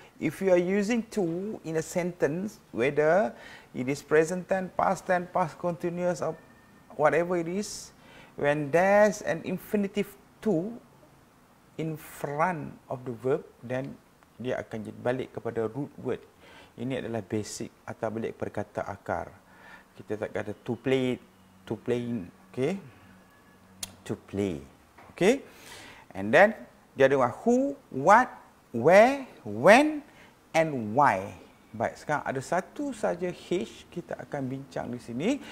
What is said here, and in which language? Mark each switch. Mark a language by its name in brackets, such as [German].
[English] If you are using to in a sentence, whether it is present tense, past continuous or whatever it is, when there's an infinitive to in front of the verb, then [Malay] dia akan balik kepada root word. Ini adalah basic atau balik kepada kata akar. Kita tak kata [English] to play, to playing. Okay? To play. Okay? And then, [Malay] dia ada [English] who, what, where, when and why. [Malay] Baik, sekarang ada satu saja H kita akan bincang di sini.